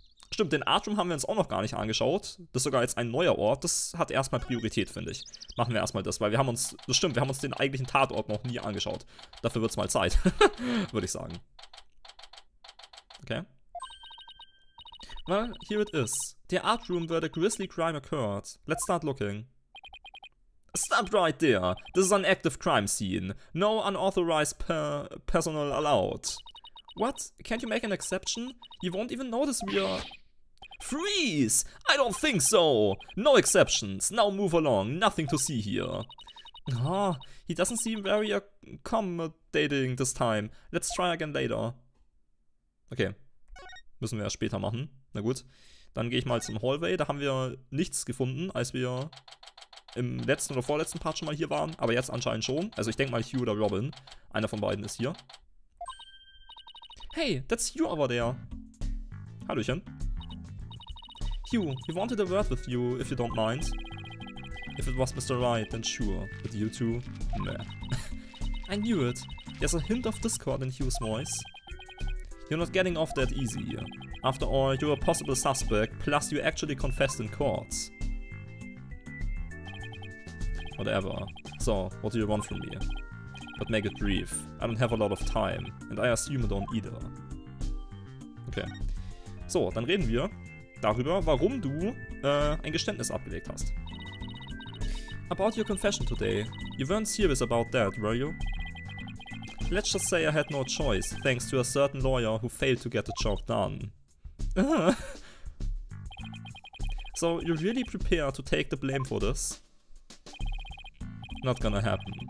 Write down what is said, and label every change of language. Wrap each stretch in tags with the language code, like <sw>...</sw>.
<de>Stimmt, den Artroom haben wir uns auch noch gar nicht angeschaut. Das ist sogar jetzt ein neuer Ort. Das hat erstmal Priorität, finde ich. Machen wir erstmal das, weil wir haben uns, das stimmt, wir haben uns den eigentlichen Tatort noch nie angeschaut. Dafür wird's mal Zeit, würde ich sagen.</de> <en>Okay. Well, here it is. The art room where the grisly crime occurred. Let's start looking. Stop right there. This is an active crime scene. No unauthorized personnel allowed. What? Can't you make an exception? You won't even notice we are... Freeze! I don't think so! No exceptions. Now move along. Nothing to see here. Oh, he doesn't seem very accommodating this time. Let's try again later. Okay.</en> <de>Müssen wir ja später machen. Na gut, dann gehe ich mal zum Hallway. Da haben wir nichts gefunden, als wir im letzten oder vorletzten Part schon mal hier waren. Aber jetzt anscheinend schon. Also ich denke mal Hugh oder Robin. Einer von beiden ist hier.</de> <en>Hey, that's you over there. Hallöchen. Hugh, he wanted a word with you, if you don't mind. If it was Mr. Wright, then sure. But you two, meh. I knew it. There's a hint of discord in Hugh's voice. You're not getting off that easy. After all, you're a possible suspect, plus you actually confessed in court. Whatever. So, what do you want from me? But make it brief. I don't have a lot of time. And I assume I don't either. Okay.</en> <de>So, dann reden wir darüber, warum du ein Geständnis abgelegt hast.</de> <en>About your confession today. You weren't serious about that, were you? Let's just say I had no choice, thanks to a certain lawyer who failed to get the job done. So, you're really prepared to take the blame for this? Not gonna happen.</en>